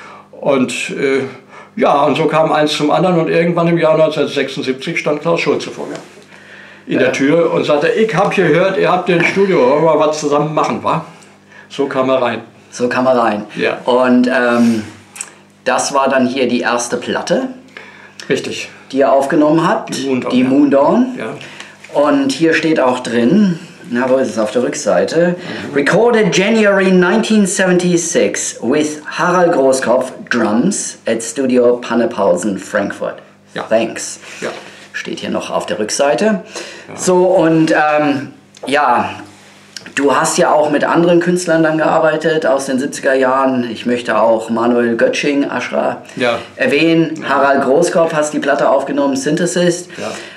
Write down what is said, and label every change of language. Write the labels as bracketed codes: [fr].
[de] Und ja, und so kam eins zum anderen und irgendwann im Jahr 1976 stand Klaus Schulze vor mir in der Tür und sagte, ich hab gehört, ihr habt ein Studio, wollen wir was zusammen machen, wa? So kam er rein. So kam er rein. Ja. Und das war dann hier die erste Platte. Richtig. Die ihr aufgenommen habt. Die Moondawn. Die Moondawn. Ja. Und hier steht auch drin, na, wo ist es, auf der Rückseite. Mhm. [en] Recorded January 1976 with Harald Großkopf, Drums at Studio Pannepausen, Frankfurt. [de] Ja. [en] Thanks. [de] Ja. Steht hier noch auf der Rückseite. Ja. So, und ja, du hast ja auch mit anderen Künstlern dann gearbeitet aus den 70er Jahren. Ich möchte auch Manuel Götsching, Ashra, ja, erwähnen. Ja. Harald Großkopf hast die Platte aufgenommen, Synthesist. Ja.